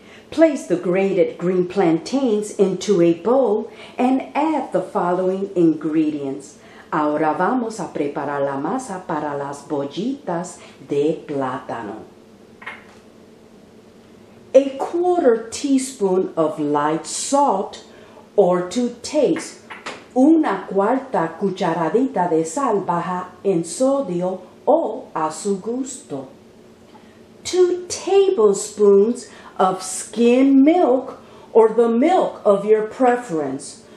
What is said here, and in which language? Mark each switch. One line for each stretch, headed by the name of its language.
English: Place the grated green plantains into a bowl and add the following ingredients.
Spanish: Ahora vamos a preparar la masa para las bollitas de plátano.
English: A quarter teaspoon of light salt or to taste.
Spanish: Una cuarta cucharadita de sal baja en sodio o a su gusto.
English: 2 tablespoons of skim milk or the milk of your preference.